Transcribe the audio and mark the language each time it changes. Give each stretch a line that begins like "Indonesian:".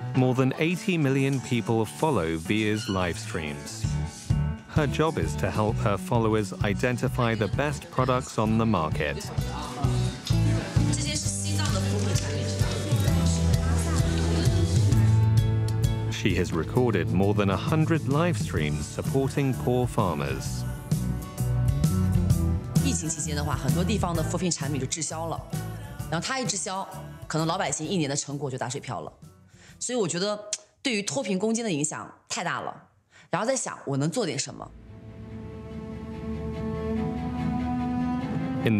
English: More than 80 million people follow Via's live streams. Her job is to help her followers identify the best products on the market.
Chinese: 这些是西藏的部分产品。
English: She has recorded more than 100 live streams supporting poor farmers.
Chinese: 疫情期间的话，很多地方的脱贫产品就滞销了，然后它一滞销。可能老百姓一年的成果就打水漂了，所以我觉得对于脱贫攻坚的影响太大了。然后在想，我能做点什么。In